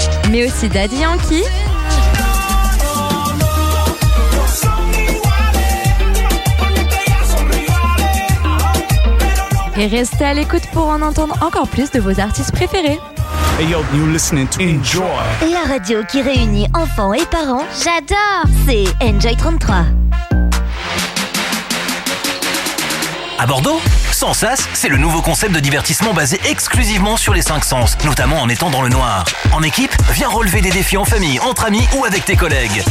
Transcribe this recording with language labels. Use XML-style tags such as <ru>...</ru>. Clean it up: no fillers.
<fr>Mais aussi Daddy Yankee. Et restez à l'écoute pour en entendre encore plus de vos artistes préférés.</fr> <en>Hey yo, you're listening to Enjoy.</en> <fr>La radio qui réunit enfants et parents. J'adore. C'est Enjoy 33. À Bordeaux, Sans Sas, c'est le nouveau concept de divertissement basé exclusivement sur les 5 sens, notamment en étant dans le noir. En équipe, viens relever des défis en famille, entre amis ou avec tes collègues.</fr>